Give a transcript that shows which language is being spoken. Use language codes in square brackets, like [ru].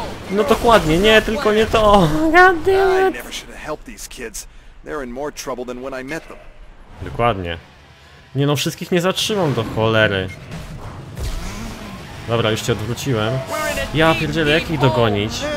[pl] No dokładnie, nie, tylko nie to. [en] God damn it. I never should have helped these kids. They're in more trouble than when I met them. [pl] Dokładnie. Nie no, wszystkich nie zatrzymam do cholery. Dobra, już cię odwróciłem. Ja pierdzielę, jak ich dogonić?